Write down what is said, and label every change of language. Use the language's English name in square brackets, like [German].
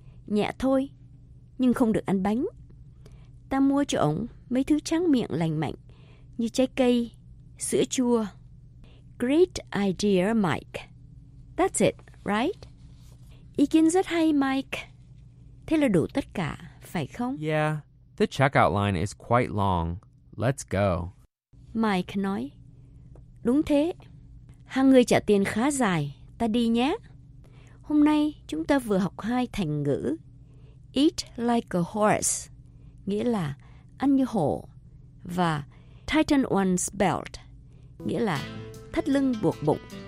[Vietnamese] Nhẹ thôi, nhưng không được ăn bánh. Ta mua cho ông mấy thứ tráng miệng lành mạnh như trái cây, sữa chua. [English] Great idea, Mike. That's it, right? [Vietnamese] Ý kiến rất hay, Mike. Thế là đủ tất cả, phải không? [English] Yeah, the checkout line is quite long. Let's go. [Vietnamese] Mike nói, đúng thế. Hàng người trả tiền khá dài, ta đi nhé. Hôm nay chúng ta vừa học hai thành ngữ. [English] Eat like a horse, [Vietnamese] nghĩa là ăn như hổ. Và [English] tighten one's belt, [Vietnamese] nghĩa là thắt lưng buộc bụng.